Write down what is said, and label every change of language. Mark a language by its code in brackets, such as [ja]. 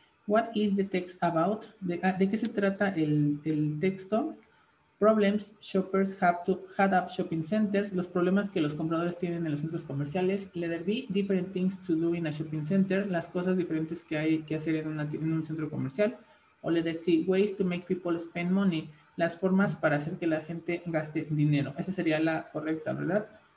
[en] What is the text about? [es] ¿De qué se trata el texto? [en] Problems shoppers had up shopping centers. [es] Los problemas que los compradores tienen en los centros comerciales. [en] Letter B, different things to do in a shopping center. [es] Las cosas diferentes que hay que hacer en un centro comercial. [en] O letter C, ways to make people spend money. [es] Las formas para hacer que la gente gaste dinero. Esa sería la correcta, ¿verdad?